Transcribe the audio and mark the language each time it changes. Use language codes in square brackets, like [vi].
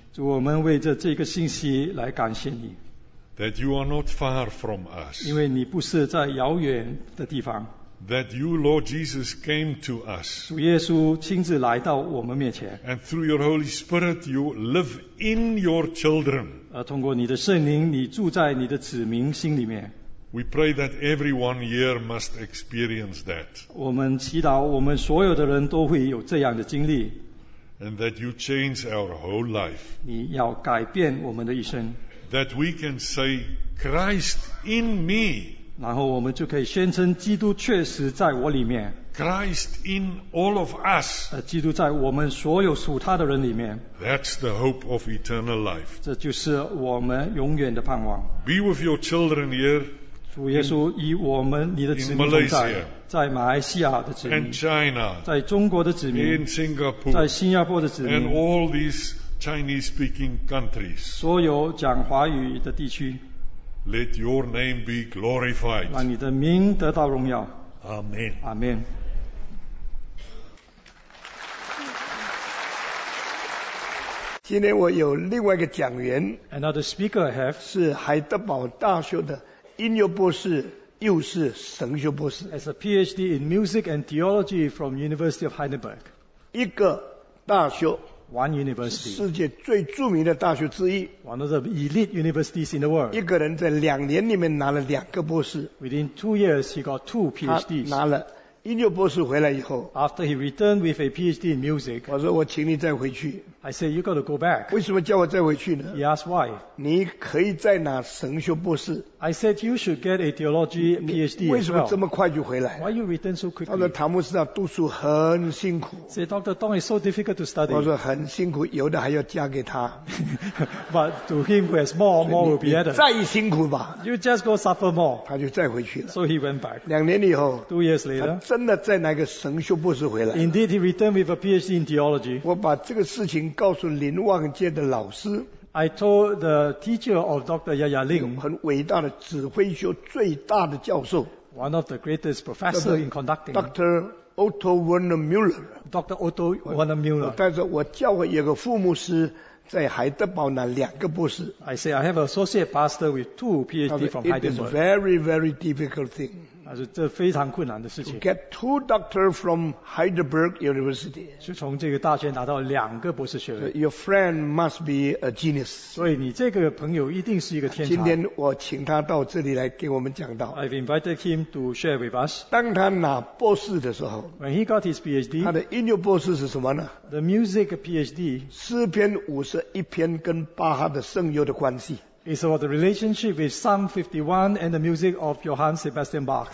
[zh] 主，我们为着这个信息来感谢你。 [en] That you are not far from us, [zh] 因为你不是在遥远的地方。 [en] That you, Lord Jesus, came to us. [zh] 主耶稣亲自来到我们面前。 [en] And through your Holy Spirit, you live in your children. [zh] 通过你的圣灵，你住在你的子民心里面。 [en] We pray that everyone here must experience that. [zh] 我们祈祷我们所有的人都会有这样的经历。 [en] And that you change our whole life. [zh] 你要改变我们的一生。 [en] That we can say, Christ in me. [zh] 然后我们就可以宣称基督确实在我里面。 [en] Christ in all of us. [zh] 基督在我们所有属他的人里面。 [en] That's the hope of eternal life. [zh] 这就是我们永远的盼望。 [en] Be with your children here. [zh] 主耶稣以我们你的子民同在。在马来西亚的子民。 [en] In China. [zh] 在中国的子民。 [en] In Singapore. [zh] 在新加坡的子民。 [en] And all these Chinese speaking countries. [zh] 所有讲华语的地区。 [en] Let your name be glorified. [zh] 让你的名得到荣耀。 [en] Amen. Amen. Another speaker I have [zh] 是海德堡大学的音乐博士，又是神学博士。 [en] As a PhD in music and theology from University of Heidelberg. [zh] 一个大学。 [en] One university, [zh] 世界最著名的大学之一。 [en] One of the elite universities in the world. [zh] 一个人在两年里面拿了两个博士。 [en] Within 2 years, he got 2 PhDs. [zh] 他拿了音乐博士回来以后。 [en] After he returned with a PhD in music. [zh] 我说我请你再回去。 [en] I said you got to go back. [zh] 为什么叫我再回去呢？ [en] He asked why. [zh] 你可以再拿神学博士。 [en] I said you should get a theology PhD. [zh] 为什么这么快就回来？ [en] Why you return so quickly? [zh] 他说唐牧师啊，读书很辛苦。 [en] Said Dr. Tong is so difficult to study. [zh] 我说很辛苦，有的还要嫁给他。 [en] But to him who has more will be added. [zh] 再辛苦吧。 [en] You just go suffer more. [zh] 他就再回去了。 [en] So he went back. [zh] 两年以后。 [en] 2 years later. [zh] 他真的再拿个神学博士回来。 [en] Indeed, he returned with a PhD in theology. [zh] 我把这个事情告诉林旺街的老师。 [en] I told the teacher of Dr. Yaya Ling, [zh] 很伟大的指挥学最大的教授 [en] ，one of the greatest professor in conducting, Dr. Otto Werner Müller, Dr. Otto Werner Müller. [zh] 但是我教会有个副牧师在海德堡拿两个博士。 [en] I say I have an associate pastor with 2 PhDs from Heidelberg. It is very, very difficult thing. [zh] 这非常困难的事情。 [en] To get two doctors from Heidelberg University. [zh] 是从这个大学拿到两个博士学位。 [en] So、your friend must be a genius. [zh] 所以你这个朋友一定是一个天才。今天我请他到这里来给我们讲道。 [en] I've invited him to share with us. [zh] 当他拿博士的时候。 [en] When he got his PhD. [zh] 他的音乐博士是什么呢？ [en] The music PhD. [zh] 诗篇51篇跟巴哈的圣乐的关系。 [en] It's about the relationship with Psalm 51 and the music of Johann Sebastian Bach.